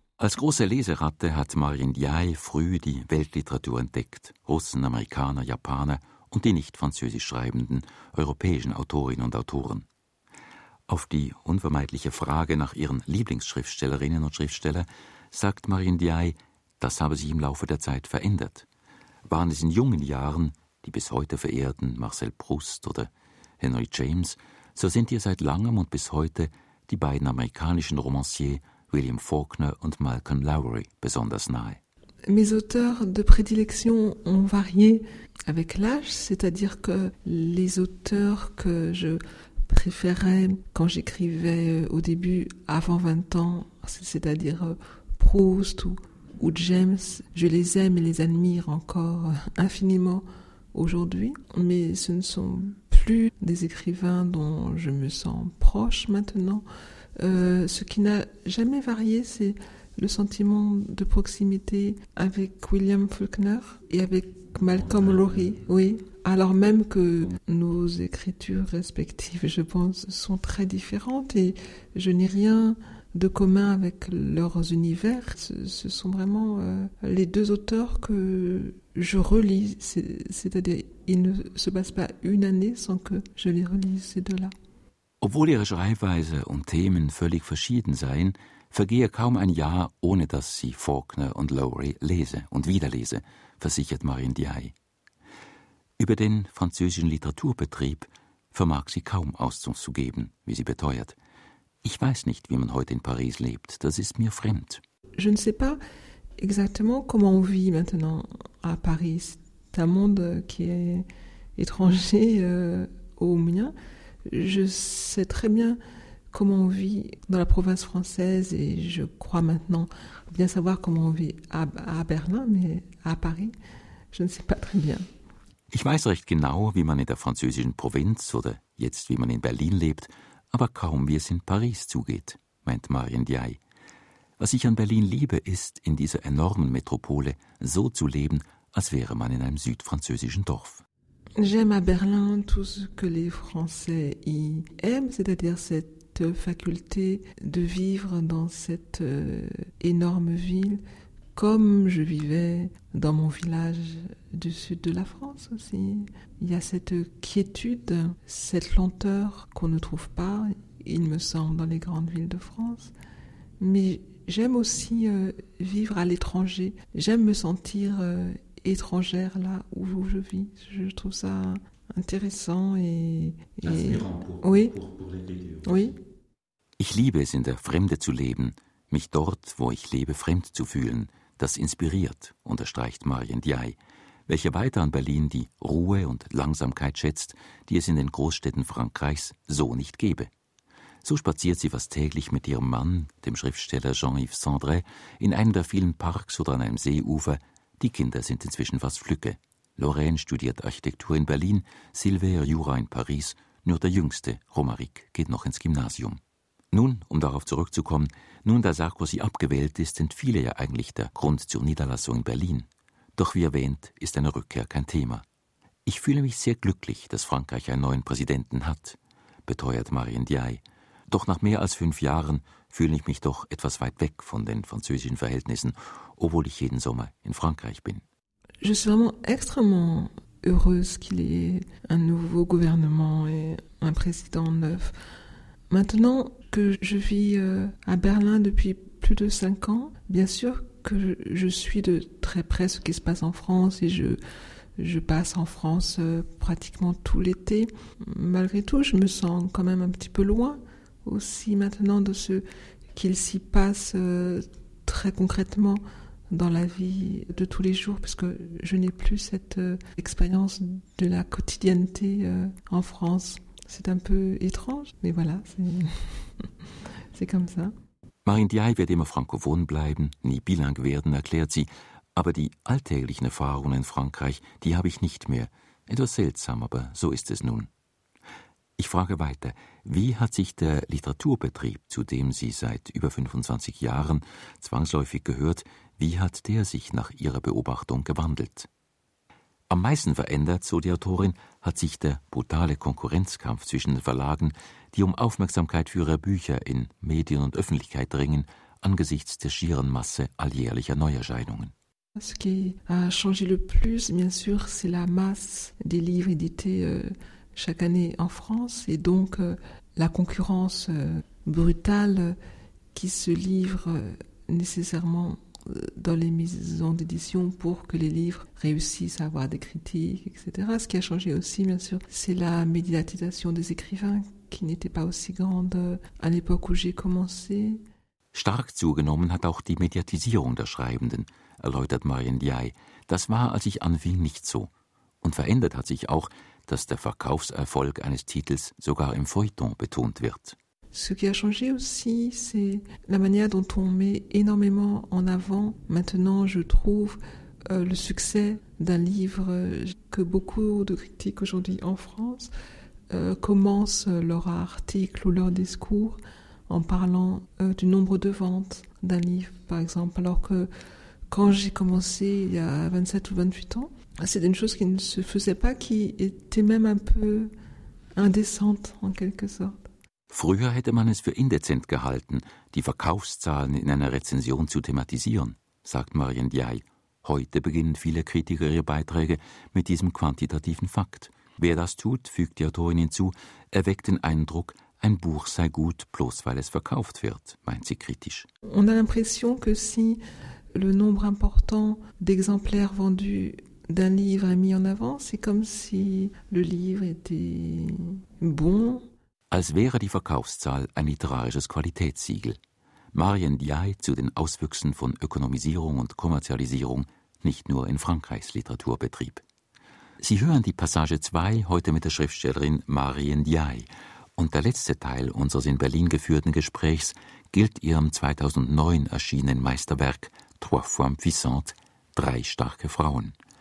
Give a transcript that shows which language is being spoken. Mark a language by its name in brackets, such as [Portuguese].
[German] Als große Leseratte hat Marien Diay früh die Weltliteratur entdeckt. Russen, Amerikaner, Japaner und die nicht französisch schreibenden europäischen Autorinnen und Autoren. Auf die unvermeidliche Frage nach ihren Lieblingsschriftstellerinnen und Schriftsteller sagt Marien Diay, das habe sich im Laufe der Zeit verändert. Waren es in jungen Jahren die bis heute verehrten Marcel Proust oder Henry James, so sind ihr seit langem und bis heute die beiden amerikanischen Romanciers William Faulkner und Malcolm Lowry besonders nahe. [French] Mes auteurs de prédilection ont varié avec l'âge, c'est-à-dire que les auteurs que je préférais quand j'écrivais au début avant 20 ans, c'est-à-dire Proust ou James, je les aime et les admire encore infiniment aujourd'hui, mais ce ne sont plus des écrivains dont je me sens proche maintenant. Ce qui n'a jamais varié, c'est le sentiment de proximité avec William Faulkner et avec Malcolm Lowry, oui. Alors même que nos écritures respectives, je pense, sont très différentes et je n'ai rien de commun avec leurs univers, ce sont vraiment les deux auteurs que je relis. C'est-à-dire, il ne se passe pas une année sans que je les relise, ces deux-là. [German] Obwohl ihre Schreibweise und Themen völlig verschieden seien, vergehe kaum ein Jahr, ohne dass sie Faulkner und Lowry lese und wiederlese, versichert Marien Diay. Über den französischen Literaturbetrieb vermag sie kaum Auszug zu geben, wie sie beteuert. Ich weiß nicht, wie man heute in Paris lebt, das ist mir fremd. [French] Je ne sais pas exactement comment on vit maintenant à Paris. C'est un monde qui est étranger au mien. Je sais très bien comment on vit dans la province française et je crois maintenant bien savoir comment on vit à Berlin, mais à Paris, je ne sais pas très bien. [German] Ich weiß recht genau, wie man in der französischen Provinz oder jetzt wie man in Berlin lebt, aber kaum wie es in Paris zugeht, meint Marien Diay. Was ich an Berlin liebe, ist, in dieser enormen Metropole so zu leben, als wäre man in einem südfranzösischen Dorf. [French] J'aime à Berlin tout ce que les Français y aiment, c'est-à-dire cette faculté de vivre dans cette énorme ville, comme je vivais dans mon village du sud de la France aussi. Il y a cette quiétude, cette lenteur qu'on ne trouve pas, il me semble, dans les grandes villes de France. Mais j'aime aussi vivre à l'étranger. J'aime me sentir étrangère là où je vis. Je trouve ça intéressant et inspirant pour oui. [German] Ich liebe es, in der Fremde zu leben, mich dort, wo ich lebe, fremd zu fühlen. Das inspiriert, unterstreicht Marien Diay, welche weiter an Berlin die Ruhe und Langsamkeit schätzt, die es in den Großstädten Frankreichs so nicht gäbe. So spaziert sie fast täglich mit ihrem Mann, dem Schriftsteller Jean-Yves Sandré, in einem der vielen Parks oder an einem Seeufer. Die Kinder sind inzwischen fast Flücke. Lorraine studiert Architektur in Berlin, Silvère Jura in Paris, nur der Jüngste, Romaric, geht noch ins Gymnasium. Nun, um darauf zurückzukommen, nun, da Sarkozy abgewählt ist, entfiele ja eigentlich der Grund zur Niederlassung in Berlin. Doch wie erwähnt, ist eine Rückkehr kein Thema. Ich fühle mich sehr glücklich, dass Frankreich einen neuen Präsidenten hat, beteuert Marien Diay. Doch nach mehr als 5 Jahren fühle ich mich doch etwas weit weg von den französischen Verhältnissen, obwohl ich jeden Sommer in Frankreich bin. [French] Je suis vraiment extrêmement heureuse qu'il y ait un nouveau gouvernement et un président neuf. Maintenant que je vis à Berlin depuis plus de 5 ans, bien sûr que je suis de très près ce qui se passe en France et je passe en France pratiquement tout l'été. Malgré tout, je me sens quand même un petit peu loin aussi maintenant de ce qu'il s'y passe très concrètement dans la vie de tous les jours, puisque je n'ai plus cette expérience de la quotidienneté en France. C'est un peu étrange, mais voilà, c'est comme ça. [German] Marin Diay wird immer frankophon bleiben, nie bilingue werden, erklärt sie. Aber die alltäglichen Erfahrungen in Frankreich, die habe ich nicht mehr. Etwas seltsam, aber so ist es nun. Ich frage weiter, wie hat sich der Literaturbetrieb, zu dem Sie seit über 25 Jahren zwangsläufig gehört, wie hat der sich nach Ihrer Beobachtung gewandelt? Am meisten verändert, so die Autorin, hat sich der brutale Konkurrenzkampf zwischen den Verlagen, die um Aufmerksamkeit für ihre Bücher in Medien und Öffentlichkeit dringen, angesichts der schieren Masse alljährlicher Neuerscheinungen. [French] Ce qui a changé le plus, bien sûr, c'est la masse des livres édités chaque année en France et donc la concurrence brutale qui se livre nécessairement dans les maisons d'édition pour que les livres réussissent à avoir des critiques, etc. Ce qui a changé aussi, bien sûr, c'est la médiatisation des écrivains qui n'était pas aussi grande à l'époque où j'ai commencé. [German] Stark zugenommen hat auch die Mediatisierung der Schreibenden, erläutert Marin Diay. Das war, als ich anfing, nicht so. Und verändert hat sich auch, dass der Verkaufserfolg eines Titels sogar im Feuilleton betont wird. [French] Ce qui a changé aussi, c'est la manière dont on met énormément en avant. Maintenant, je trouve le succès d'un livre que beaucoup de critiques aujourd'hui en France commencent leur article ou leur discours en parlant du nombre de ventes d'un livre, par exemple. Alors que quand j'ai commencé il y a 27 ou 28 ans, c'était une chose qui ne se faisait pas, qui était même un peu indécente en quelque sorte. [German] Früher hätte man es für indezent gehalten, die Verkaufszahlen in einer Rezension zu thematisieren, sagt Marin Diay. Heute beginnen viele Kritiker ihre Beiträge mit diesem quantitativen Fakt. Wer das tut, fügt die Autorin hinzu, erweckt den Eindruck, ein Buch sei gut, bloß weil es verkauft wird, meint sie kritisch. [French] On a l'impression que si le nombre important d'exemplaires vendus d'un livre est mis en avant, c'est comme si le livre était bon. [German] Als wäre die Verkaufszahl ein literarisches Qualitätssiegel. Marin Diay zu den Auswüchsen von Ökonomisierung und Kommerzialisierung, nicht nur in Frankreichs Literaturbetrieb. Sie hören die Passage 2 heute mit der Schriftstellerin Marin Diay. Und der letzte Teil unseres in Berlin geführten Gesprächs gilt ihrem 2009 erschienenen Meisterwerk Trois femmes puissantes, drei starke Frauen.